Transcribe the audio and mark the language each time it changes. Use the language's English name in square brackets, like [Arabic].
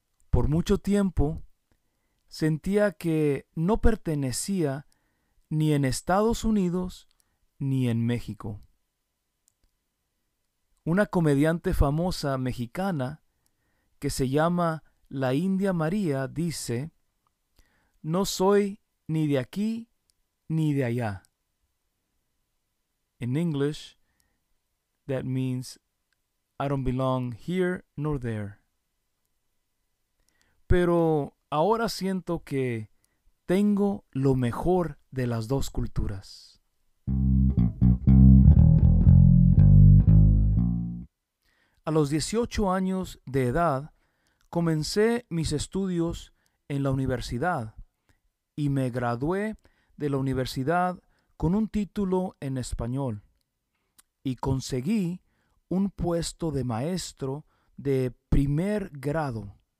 [Spanish] Por mucho tiempo, sentía que no pertenecía ni en Estados Unidos ni en México. Una comediante famosa mexicana que se llama La India María dice: "No soy ni de aquí ni de allá." [English] In English, that means, I don't belong here nor there. [Spanish] Pero ahora siento que tengo lo mejor de las dos culturas. A los 18 años de edad, comencé mis estudios en la universidad y me gradué de la universidad con un título en español, y conseguí un puesto de maestro de primer grado.